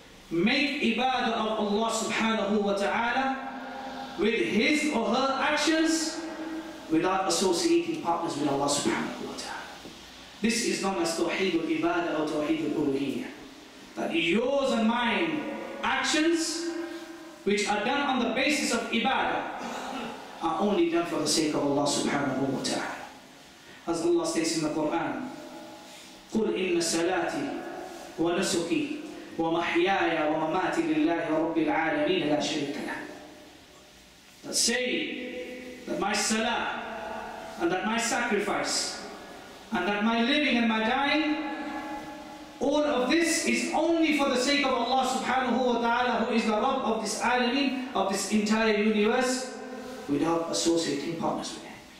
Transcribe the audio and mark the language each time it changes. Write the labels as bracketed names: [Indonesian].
[English] make ibadah of Allah subhanahu wa ta'ala with his or her actions without associating partners with Allah subhanahu wa ta'ala. This is known as Tawheed al-Ibadah or Tawheed al-Uluhiyyah. That yours and mine actions which are done on the basis of ibadah are only done for the sake of Allah subhanahu wa ta'ala. As Allah says in the Quran, [Arabic] قُلْ إِنَّ سَلَاتِي وَنَسُكِي وَمَحْيَايَ وَمَمَاتِ لِلَّهِ رَبِّ الْعَالَمِينَ لَا شَرِكَ لَهُ. [English] That say that my salah and that my sacrifice and that my living and my dying, all of this is only for the sake of Allah subhanahu wa ta'ala, who is the Rabb of this alameen, of this entire universe, without associating partners with him.